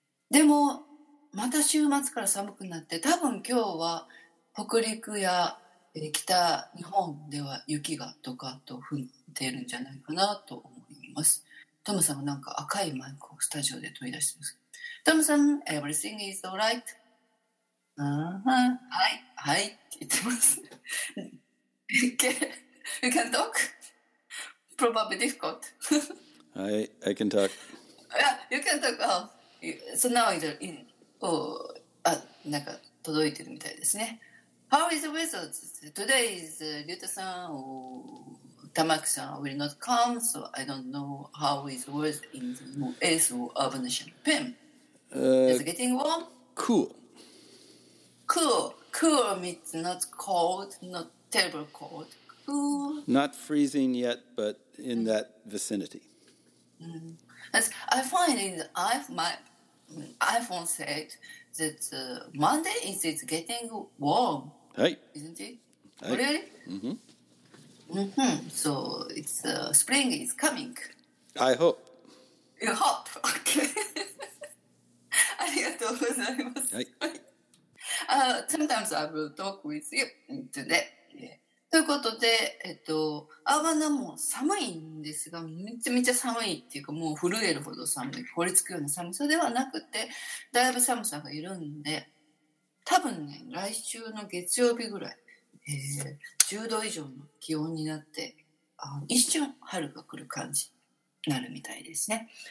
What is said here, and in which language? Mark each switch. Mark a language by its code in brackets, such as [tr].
[ja] でもまた週末から寒くなって、多分今日は北陸や北日本では雪がドカッと降っているんじゃないかなと思います。トムさんはなんか赤いマイクをスタジオで取り出してます。 [en] トムさん、Everything is alright? [ja] はい、はい、って言ってます。 [en] You can talk? Probably difficult. I can talk. Yeah, you can talk. So now it's in. [ja] なんか届いてるみたいですね。 [en] How is the weather? Today is Ryuta-san Tamaki-san will not come, so I don't know how it was in the US or urban Champaign. Is it getting warm? Cool. Cool means not cold, not terrible cold. Cool. Not freezing yet, but in that vicinity. I find in my iPhone said that Monday is it getting warm. Hey. Isn't it? Hey. Really? Mm-hmm. So it's spring is coming. I hope. You hope? Okay. [ja] ありがとうございます。はい。 [en] Sometimes I will talk with you today. [ja] ということで、アーバナも寒いんですが、めちゃめちゃ寒いっていうか、もう震えるほど寒い、凍りつくような寒さではなくて、だいぶ寒さが緩んで、多分ね、来週の月曜日ぐらい。 10度以上の気温になって、一瞬春が来る感じになるみたいですね。